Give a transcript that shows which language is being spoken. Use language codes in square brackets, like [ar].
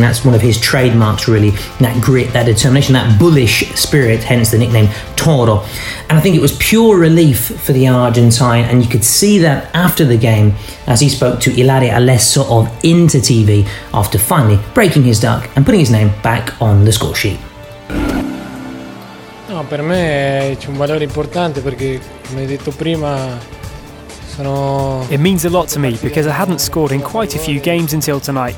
[en] That's one of his trademarks, really, that grit, that determination, that bullish spirit, hence the nickname Toro. And I think it was pure relief for the Argentine, and you could see that after the game as he spoke to Ilaria Alesso of Inter TV after finally breaking his duck and putting his name back on the score sheet. [it] No, per me c'è un valore importante perché, come hai detto prima, sono. [en] It means a lot to me because I hadn't scored in quite a few games until tonight.